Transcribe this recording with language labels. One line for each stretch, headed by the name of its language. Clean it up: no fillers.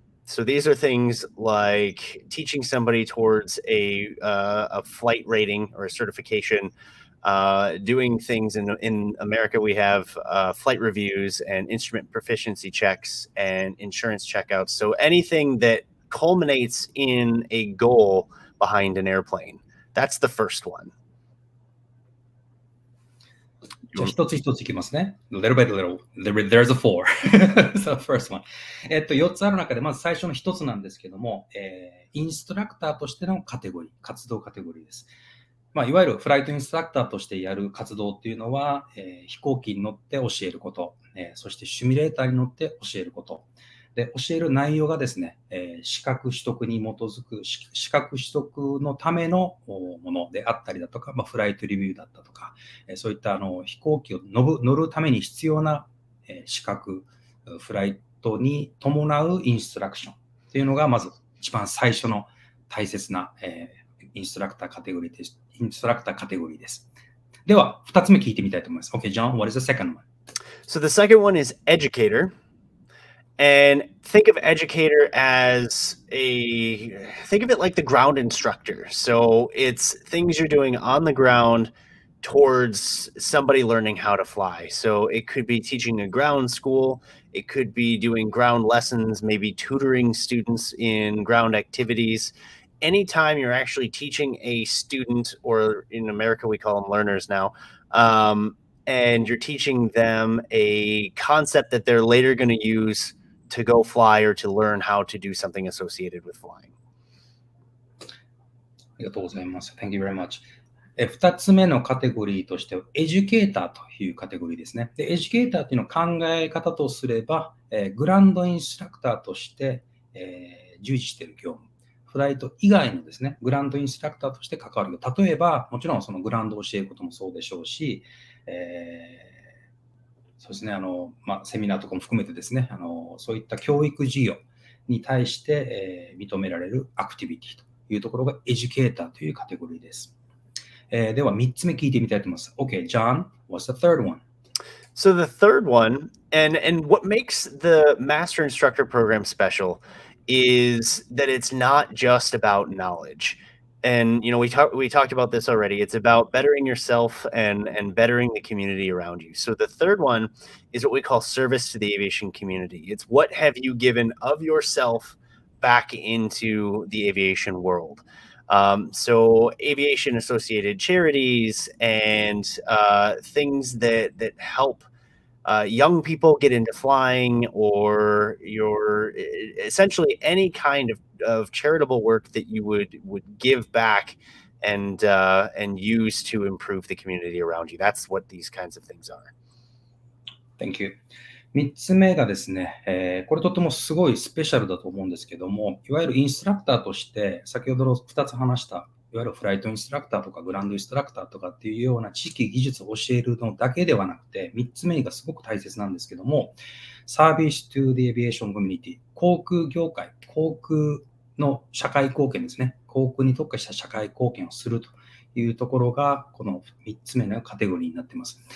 English: So these are things like teaching somebody towards a flight rating or a certification, doing things in America, we have flight reviews and instrument proficiency checks and insurance checkouts. So anything that culminates in a goal behind an airplane, that's the first one.
Japanese: じゃあ一つ一ついきますね。
English: Little by little. There's a four. So first one.
Japanese: 四つある中で、まず最初の一つなんですけども、インストラクターとしてのカテゴリー、活動カテゴリーです。まあ、いわゆるフライトインストラクターとしてやる活動っていうのは、飛行機に乗って教えること、そしてシミュレーターに乗って教えること。で、教える内容がですね、資格取得に基づく、資格取得のためのものであったりだとか、まあ、フライトレビューだったとか、そういったあの飛行機を乗るために必要な資格、フライトに伴うインストラクションっていうのが、まず一番最初の大切な、インストラクターカテゴリーです。インストラクターカテゴリーです。では、2つ目聞いてみたいと思います。
English: Okay, John, what is the second one? So the second one is educator. And think of educator as a, think of it like the ground instructor. So it's things you're doing on the ground towards somebody learning how to fly. So it could be teaching a ground school. It could be doing ground lessons, maybe tutoring students in ground activities. Anytime you're actually teaching a student, or in America, we call them learners now, and you're teaching them a concept that they're later going to useto go fly or to learn how to do something associated with flying.
Japanese: ありがとうございます。
English: Thank you very much.
Japanese: 2つ目のカテゴリーとしてはエデュケーターというカテゴリーですね。で、エデュケーターというのを考え方とすれば、グランドインストラクターとして、従事している業務、フライト以外のですね、グランドインストラクターとして関わる業務。例えば、もちろんそのグランドを教えることもそうでしょうし、そうですね、あの、まあ、セミナーとかも含めてですね、あの、そういった教育事業に対して、認められるアクティビティというところがエデュケーターというカテゴリーです。では3つ目聞いてみたいと思います。
English: Okay, John, what's the third one? So the third one, and what makes the Master Instructor Program special is that it's not just about knowledge. And, you know, we talked about this already. It's about bettering yourself and bettering the community around you. So the third one is what we call service to the aviation community. It's what have you given of yourself back into the aviation world? So aviation associated charities and things that help young people get into flying or your essentially any kind of charitable work that you would give back and use to improve the community around you. That's what these kinds of things are. Thank you.
Japanese: 3つ目がですね、これとてもすごいスペシャルだと思うんですけども、いわゆるインストラクターとして、先ほど2つ話した、いわゆるフライトインストラクターとかグランドインストラクターとかっていうような知識技術を教えるのだけではなくて、3つ目がすごく大切なんですけども、サービスとディエビエーションコミュニティ、航空業界、航空の社会貢献ですね、航空に特化した社会貢献をするというところが、この3つ目のカテゴリーになっています。